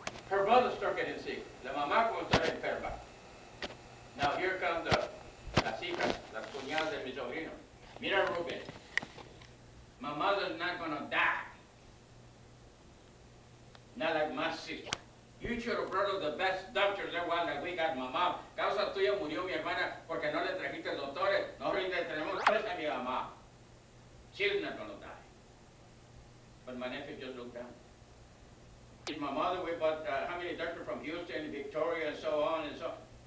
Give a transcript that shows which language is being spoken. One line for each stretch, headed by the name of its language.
English: Her mother started getting sick.
Spanish: La mamá comenzó a enferma.
English: Now here come the
Spanish: las hijas, las cuñadas de mi sobrino. Mira, Ruben.
English: My mother's not gonna die. Not like my sister. You should have brought the best doctors there while we got my mom.
Spanish: Causa tuya murió mi hermana porque no le trajiste doctores. No rinde, tenemos tres a mi mamá.
English: She's not gonna die. But my nephew just looked down. In my mother, we bought how many doctors from Houston, Victoria, and so on and so on.